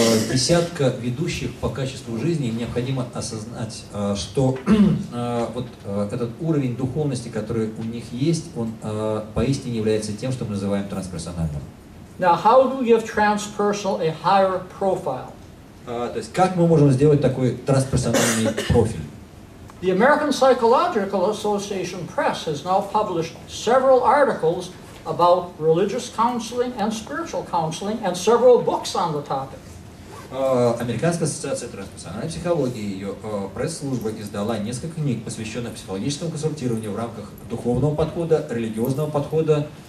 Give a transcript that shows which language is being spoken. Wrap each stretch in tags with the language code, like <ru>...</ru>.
<ru>Десятка ведущих по качеству жизни необходимо осознать, что этот уровень духовности, который у них есть, он поистине является тем, что мы называем трансперсональным.</ru> <en>Now, how do we give transpersonal a higher profile?</en> <ru>То есть, как мы можем сделать такой трансперсональный профиль?</ru> <en>The American Psychological Association Press has now published several articles about religious counseling and spiritual counseling and several books on the topic.</en> <ru>Американская ассоциация трансперсональной психологии, ее пресс-служба издала несколько книг, посвященных психологическому консультированию в рамках духовного подхода, религиозного подхода.</ru>